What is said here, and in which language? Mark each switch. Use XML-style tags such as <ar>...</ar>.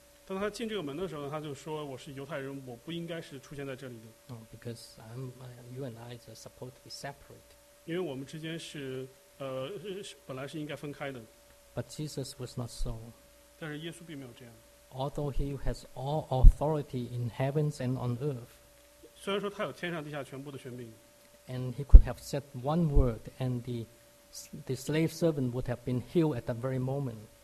<zh>当他进这个门的时候，他就说：“我是犹太人，我不应该是出现在这里的。”Because</zh> <en>you and I are supposed to be separate.</en> <zh>因为我们之间是本来是应该分开的。But</zh> <en>Jesus was not so.</en> <zh>但是耶稣并没有这样。Although</zh> <en>he has all authority in heavens and on earth.</en> <zh>虽然说他有天上地下全部的权柄,</zh> <en>and he could have said one word, and the slave servant would have been healed at that very moment.</en>